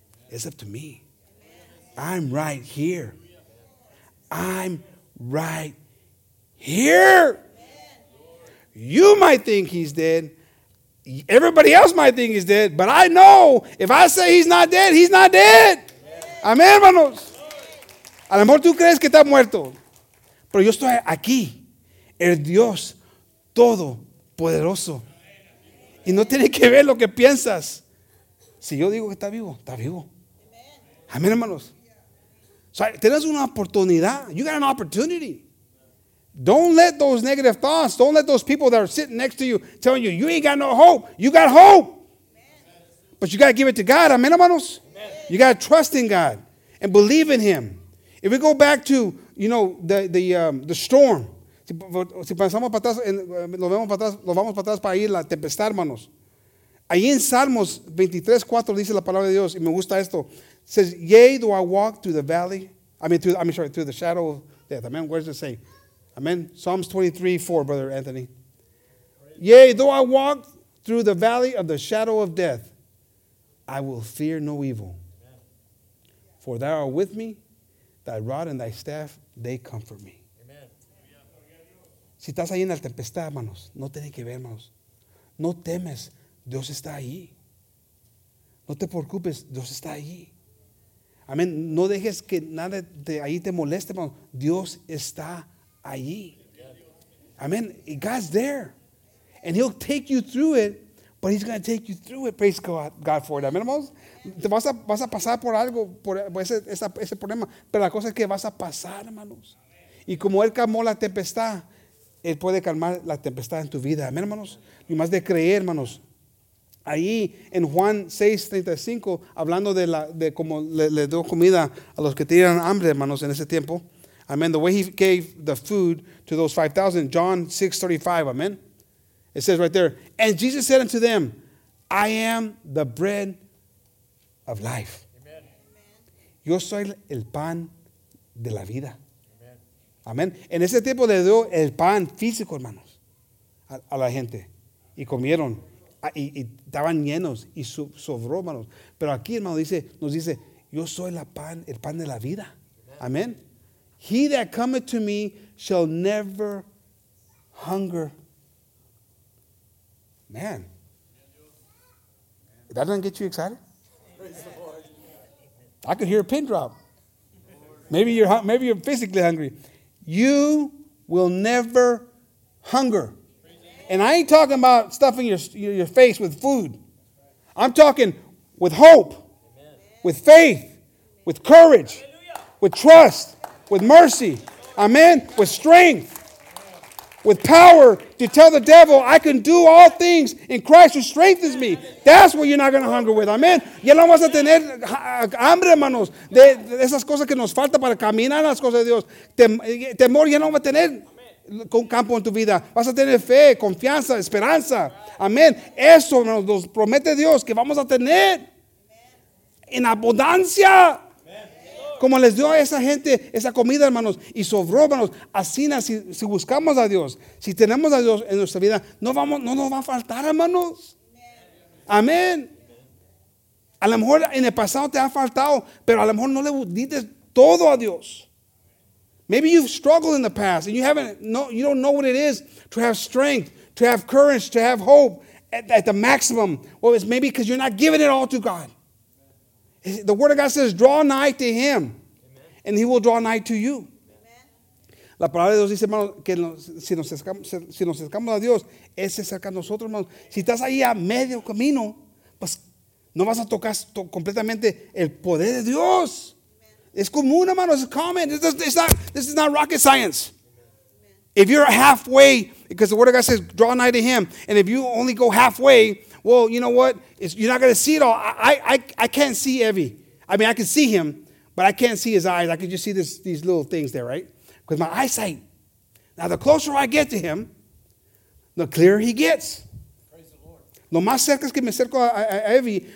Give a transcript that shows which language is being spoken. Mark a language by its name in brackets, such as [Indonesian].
[English] It's up to me. I'm right here. I'm right here. You might think he's dead. Everybody else might think he's dead. But I know if I say he's not dead, he's not dead. [Spanish] Amen, hermanos. A lo mejor tú crees que está muerto. Pero yo estoy aquí. El Dios Todopoderoso. Y no tiene que ver lo que piensas. Si yo digo que está vivo, está vivo. Amen, hermanos. [English] So, [Spanish] tienes una oportunidad. [English] You got an opportunity. Don't let those negative thoughts, don't let those people that are sitting next to you telling you, you ain't got no hope. You got hope. Amen. But you got to give it to God. Amen, hermanos? Amen. You got to trust in God and believe in him. If we go back to, you know, the storm. [Spanish] Si pensamos para atrás, lo vamos para atrás para ir la tempestad, hermanos. Ahí en Salmos 23, 4 dice la palabra de Dios, y me gusta esto. [English] It says, yea, do I walk through the valley. Through the shadow of death. Amen. Where does it say? Amen. Psalms 23, 4, Brother Anthony. Yea, though I walk through the valley of the shadow of death, I will fear no evil. For thou art with me, thy rod and thy staff, they comfort me. [Spanish] Si estás ahí en la tempestad, hermanos, no tiene que ver, hermanos. No temes, Dios está ahí. No te preocupes, Dios está ahí. Amén. No dejes que nada de ahí te moleste, hermanos. Dios está ahí. Amén. [English] God's there. And he'll take you through it, but he's going to take you through it. Praise God for it. Amén, hermanos. [Spanish] Te vas a pasar por algo, por ese problema. Pero la cosa es que vas a pasar, hermanos. Y como él calmó la tempestad, él puede calmar la tempestad en tu vida. Amén, hermanos. Y más de creer, hermanos. Ahí en Juan 6:35, hablando de cómo le dio comida a los que tenían hambre, hermanos, en ese tiempo. Amén. [English] The way he gave the food to those 5,000. John 6:35. Amén. It says right there. And Jesus said unto them, I am the bread of life. [Spanish] Amen. Yo soy el pan de la vida. Amén. En ese tiempo le dio el pan físico, hermanos, a la gente. Y comieron. Y estaban llenos. Y sobró, hermanos. Pero aquí, hermano, nos dice, yo soy el pan de la vida. Amén. [English] He that cometh to me shall never hunger. Man. That doesn't get you excited? I could hear a pin drop. Maybe you're physically hungry. You will never hunger. And I ain't talking about stuffing your face with food. I'm talking with hope, with faith, with courage, with trust, with mercy, amen, with strength, with power to tell the devil, I can do all things in Christ who strengthens me. That's what you're not going to hunger with. Amen. [Spanish] Ya no vas a tener hambre, hermanos, de esas cosas que nos falta para caminar en las cosas de Dios. Temor ya no va a tener campo en tu vida. Vas a tener fe, confianza, esperanza. Amén. Eso nos promete Dios que vamos a tener en abundancia. Como les dio a esa gente esa comida, hermanos, y sobró, hermanos. Así, si buscamos a Dios, si tenemos a Dios en nuestra vida, no nos va a faltar, hermanos. Amén. A lo mejor en el pasado te ha faltado, pero a lo mejor no le diste todo a Dios. [English] Maybe you've struggled in the past and you don't know what it is to have strength, to have courage, to have hope at the maximum. Well, it's maybe because you're not giving it all to God. The word of God says, draw nigh to him, amen, and he will draw nigh to you. Amen. [Spanish] La palabra de Dios dice, hermano, que si nos acercamos a Dios, Él se acerca a nosotros, hermano. Si estás ahí a medio camino, pues no vas a tocar completamente el poder de Dios. [English] Amen. [Spanish] Es común, hermano, [English] it's common. This is not rocket science. Amen. If you're halfway, because the word of God says, draw nigh to him, and if you only go halfway, well, you know what? You're not going to see it all. I can't see Evie. I mean, I can see him, but I can't see his eyes. I can just see these little things there, right? Because my eyesight. Now, the closer I get to him, the clearer he gets. Praise the Lord. [Spanish] Lo más cerca es que me acerco a Evie.